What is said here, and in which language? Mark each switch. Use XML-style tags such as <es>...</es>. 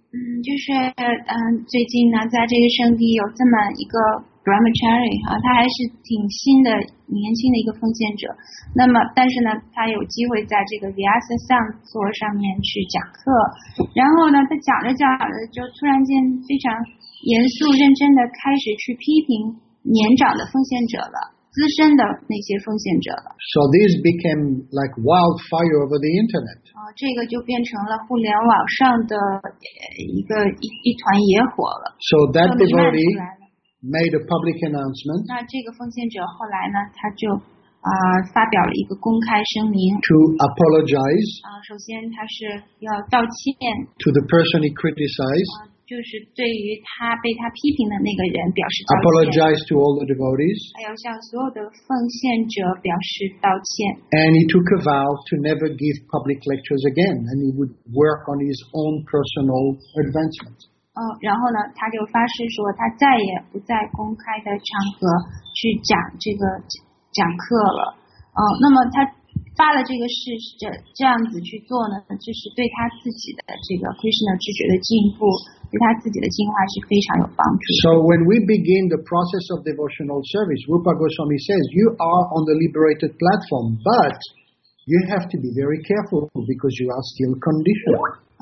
<zh>就是最近呢，在这个圣地有这么一个 Brahmachari 哈，他还是挺新的、年轻的一个奉献者。那么，但是呢，他有机会在这个 Vyasa Sun 座上面去讲课。然后呢，他讲着讲着，就突然间非常严肃、认真的开始去批评。年长的奉献者了，资深的那些奉献者了。</zh> <en>So this became like wildfire over the internet.</en> <zh>这个就变成了互联网上的一团野火了。</zh> <en>So that devotee made a public announcement.</en> <zh>那这个奉献者后来呢，他就发表了一个公开声明。</zh> <en>To apologize.</en> <zh>首先他是要道歉。</zh> <en>To the person he criticized.</en> <zh>就是对于他被他批评的那个人表示道歉。</zh> <en>Apologize to all the devotees.</en> <zh>还要向所有的奉献者表示道歉。</zh> <en>And he took a vow to never give public lectures again, and he would work on his own personal advancement.</en> <zh>然后呢，他就发誓说他再也不在公开的场合去讲这个讲课了。那么他发了这个誓，这样子去做呢，就是对他自己的这个 Krishna 知觉的进步，对他自己的进化是非常有帮助。</zh> <en>So when we begin the process of devotional service, Rupa Goswami says, you are on the liberated platform, but you have to be very careful because you are still conditioned.</en>